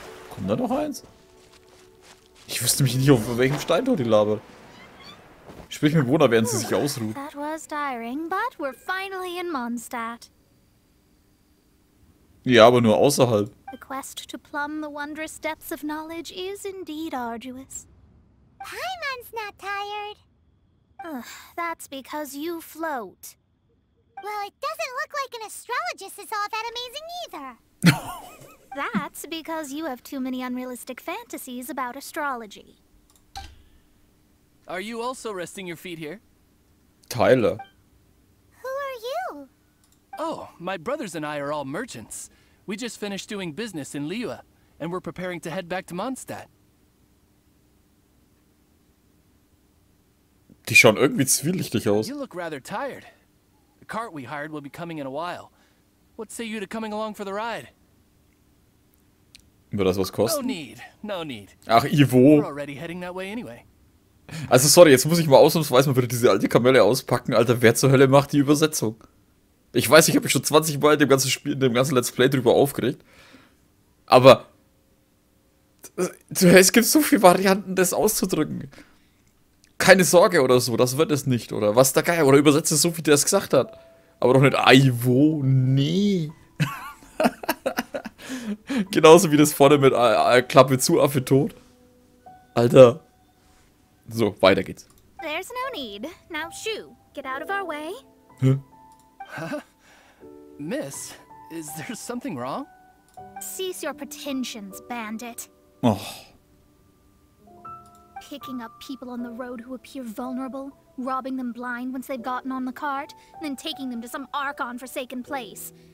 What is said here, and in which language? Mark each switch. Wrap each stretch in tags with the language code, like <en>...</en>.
<de>Kommt da noch eins? Ich wüsste mich nicht, auf welchem Steintor die labert. Sprich mit Mona, während sie sich ausruht.</de> <en>That was tiring, but we're finally in Mondstadt.</en> <de>Ja, aber nur außerhalb.</de> <en>The quest to plumb the wondrous depths of knowledge is indeed arduous. Paimon's not tired. That's because you float. Well, it doesn't look like an astrologist is all that amazing either. That's because you have too many unrealistic fantasies about astrology. Are you also resting your feet here? Tyler. Who are you? Oh, my brothers and I are all merchants. We just finished doing business in Liyue, and we're preparing to head back to Mondstadt.</en> <de>Die schauen irgendwie zwielichtig aus.</de> <en>You look rather tired. The cart we hired will be coming in a while. What say you to coming along for the ride?</en> <de>Wird das was kosten?</de> <en>No need, no need.</en> <de>Ach, Ivo.</de> <en>We're already heading that way anyway.</en> <de>Also sorry, jetzt muss ich mal ausnahmsweise mal wieder diese alte Kamelle auspacken. Alter, wer zur Hölle macht die Übersetzung? Ich weiß, ich habe mich schon 20 Mal in dem ganzen Spiel, in dem ganzen Let's Play drüber aufgeregt. Aber es gibt so viele Varianten, das auszudrücken. Keine Sorge oder so, das wird es nicht. Oder was da geil, oder übersetzt es so, wie der es gesagt hat. Aber doch nicht, Ivo, nee. Genauso wie das vorne mit Klappe zu, Affe tot. Alter. So, weiter geht's.</de> <en>There's no need. Now shoo, get out of our way. Miss, is there something wrong? Cease your pretensions, bandit. Oh. Picking up people on the road who appear vulnerable, robbing them blind once they've gotten on the cart, and then taking them to some Archon-forsaken place.</en>